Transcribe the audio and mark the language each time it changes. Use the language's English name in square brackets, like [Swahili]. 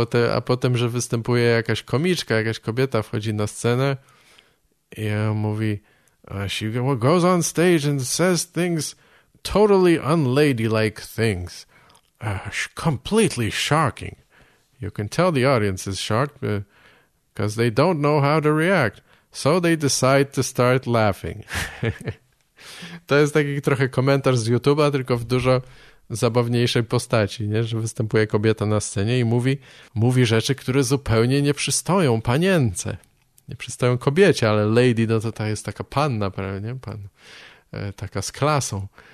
[Polish] A potem, że występuje jakaś komiczka, jakaś kobieta wchodzi na scenę i mówi, [English] she goes on stage and says things totally unladylike things. Completely shocking. You can tell the audience is shocked because they don't know how to react. So they decide to start laughing. [Polish] To jest taki trochę komentarz z YouTube'a, tylko w dużo zabawniejszej postaci, nie? Że występuje kobieta na scenie i mówi rzeczy, które zupełnie nie przystoją panience. Nie przystoją kobiecie, ale lady, no to ta jest taka panna, prawda? Taka z klasą.